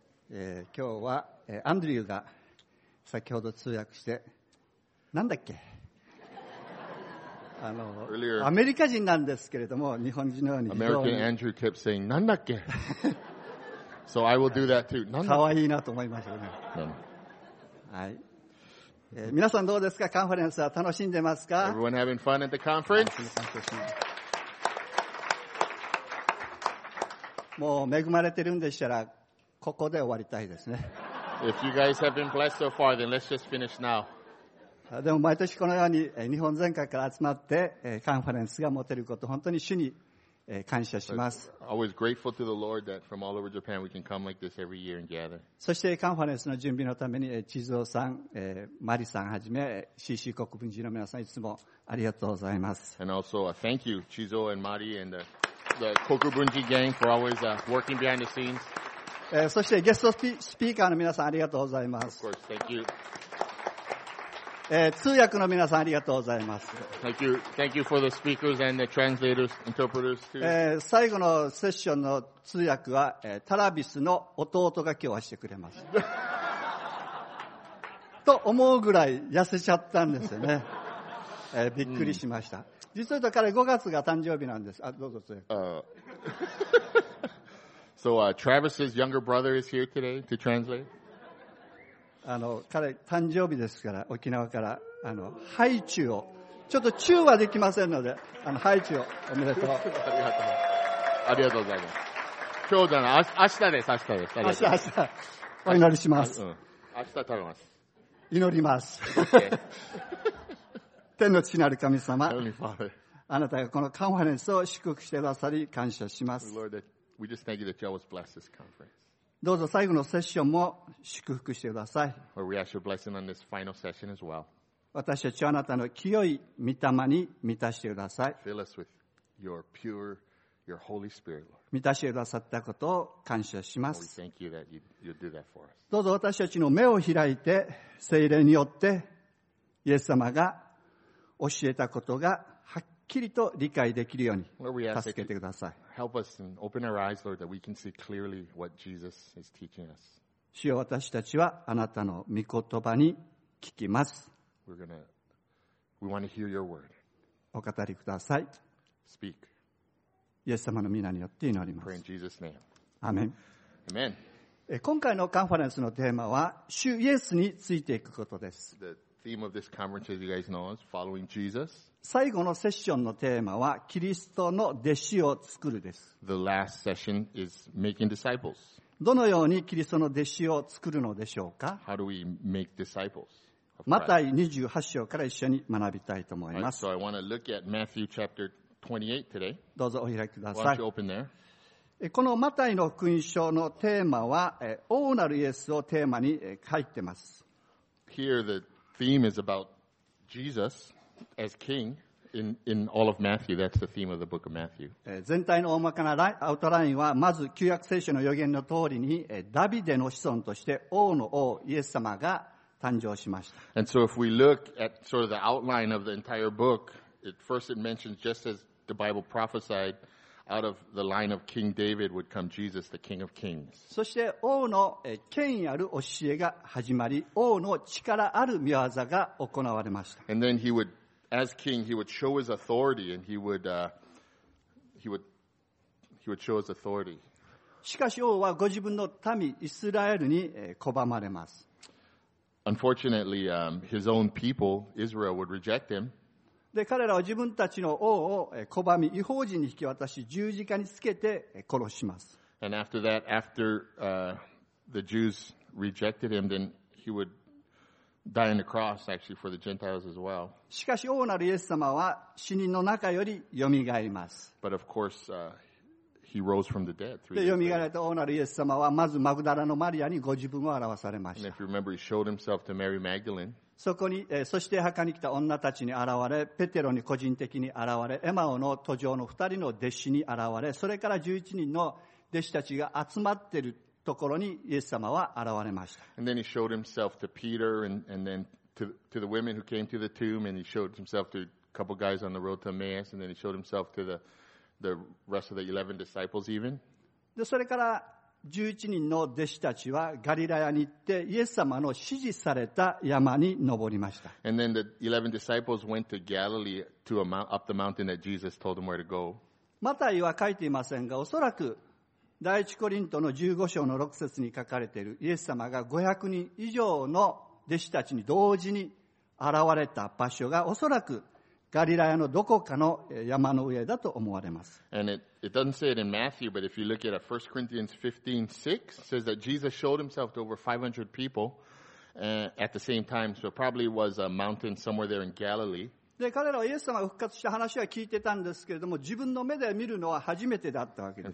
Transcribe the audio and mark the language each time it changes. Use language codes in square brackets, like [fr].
[ja] 今日は、アンドリューが先ほど通訳して、なんだっけ、 [en] Earlier, [ja] アメリカ人なんですけれども、日本人のように。 [en] American Andrew kept saying, [ja] なんだっけ。 [en] So I will do that too. [ja] かわいいなと思いましたね。はい。皆さんどうですか？カンファレンスは楽しんでますか？ [en] Everyone having fun at the conference? [ja] もう恵まれてるんでしたらここで終わりたいですね。 [en] If you guys have been blessed so far, then let's just finish now. [ja] でも毎年このように日本全国から集まってカンファレンスが持てること本当に主に感謝します。 [en] Always grateful to the Lord that from all over Japan we can come like this every year and gather. [ja] そしてカンファレンスの準備のために千鶴さん、マリさんはじめ CC 国分寺の皆さんいつもありがとうございます。 [en] And also a thank you, 千鶴 and Mari and the Kokubunji gang for always working behind the scenes. [ja] そしてゲストスピーカーの皆さんありがとうございます。 [en] Of course, thank you. [ja] 通訳の皆さんありがとうございます。 [en] Thank you. Thank you for the speakers and the translators, interpreters too. [ja] 最後のセッションの通訳は、タラビスの弟が今日はしてくれます。と思うぐらい痩せちゃったんですよね。びっくりしました。Mm. 実は言うと彼5月が誕生日なんです。あ、どうぞ。 [en] Travis's younger brother is here today to translate. [ja] 彼誕生日ですから沖縄からハイチュウをちょっとチュウはできませんのでハイチュウをおめでとう。ありがとうございます。ありがとうございます。今日じゃない、明日です。明日です。明日、明日。お祈りします。明日食べます。祈ります。 [en] Okay. [ja] 天の父なる神様、 [en] Heavenly Father. [ja] あなたがこのカンファレンスを祝福してくださり感謝します。 [en] Lord, we just thank you that you always bless this conference. [ja] どうぞ最後のセッションも祝福してください。 [en] Lord, we ask your blessing on this final session as well. [ja] 私たちをあなたの清い御霊に満たしてください。 [en] Fill us with your pure, your Holy Spirit, Lord. [ja] 満たしてくださったことを感謝します。 [en] Lord, we thank you that you do that for us. [ja] どうぞ私たちの目を開いて聖霊によってイエス様が教えたことがはっきりと理解できるように助けてください。 [en] Help us and open our eyes, Lord, that we can see clearly what Jesus is teaching us. [ja] 主よ、私たちはあなたの御言葉に聞きます。 [en] We want to hear your word. [ja] お語りください。 [en] Speak. [ja] イエス様の御名によって祈ります。 [en] Pray in Jesus' name. [ja] アーメン。アーメン。今回のカンファレンスのテーマは、主イエスについていくことです。 [en] Theme of this conference, as you guys know, is following Jesus. [ja] 最後のセッションのテーマはキリストの弟子を作るです。 [en] The last session is making disciples. [ja] どのようにキリストの弟子を作るのでしょうか？ [en] How do we make disciples? [ja] マタイ28章から一緒に学びたいと思います。 [en] Right, so I want to look at Matthew chapter 28 today. [ja] どうぞお開きください。 [en] Why don't you open there? [ja] このマタイの福音書のテーマは王なるイエスをテーマに書いてます。 [en] Here theTheme is about Jesus as king in all of Matthew. That's the theme of the book of Matthew. [ja] 全体の大まかなアウトラインはまず旧約聖書の予言の通りにダビデの子孫として王の王イエス様が誕生しました。 [en] And so if we look at sort of the outline of the entire book, it mentions just as the Bible prophesied, out of the line of King David would come Jesus, the King of Kings. [ja] そして王の権威ある教えが始まり、王の力ある御業が行われました。 [en] And then he would, as king, he would show his authority, and he would show his authority. [ja] しかし王はご自分の民イスラエルに拒まれます。 [en] Unfortunately, his own people, Israel, would reject him. [ja] で彼らは自分たちの王を拒み、異邦人に引き渡し、十字架につけて殺します。 [en] And after that, after, the Jews rejected him, then he would die on the cross, actually, for the Gentiles as well. [ja] しかし、王なるイエス様は死人の中よりよみがえります。 [en] But of course, he rose from the dead. [ja] で、よみがえられた王なるイエス様は、まずマグダラのマリアにご自分を表されました。 [en] And if you remember, he showed himself to Mary Magdalene. [ja] そこに、そして墓に来た女たちに現れ、ペテロに個人的に現れ、エマオの途上の二人の弟子に現れ、それから11人の弟子たちが集まっているところにイエス様は現れました。 [en] And then he showed himself to Peter and then to the women who came to the tomb, and he showed himself to a couple guys on the road to Emmaus, and then he showed himself to the the rest of the 11 disciples even. [ja] で、それから11人の弟子たちはガリラヤに行ってイエス様の指示された山に登りました。 [en] And then the 11 disciples went to Galilee to a mount, up the mountain that Jesus told them where to go. [ja] マタイは書いていませんが、おそらく第一コリントの15章の6節に書かれているイエス様が500人以上の弟子たちに同時に現れた場所がおそらくガリラヤのどこかの山の上だと思われます。 [en] And it doesn't say it in Matthew, but if you look at 1 Corinthians 15:6, it says that Jesus showed himself to over 500 people at the same time. So it probably was a mountain somewhere there in Galilee. [ja] で、彼らはイエス様が復活した話は聞いてたんですけれども、自分の目で見るのは初めてだったわけですね。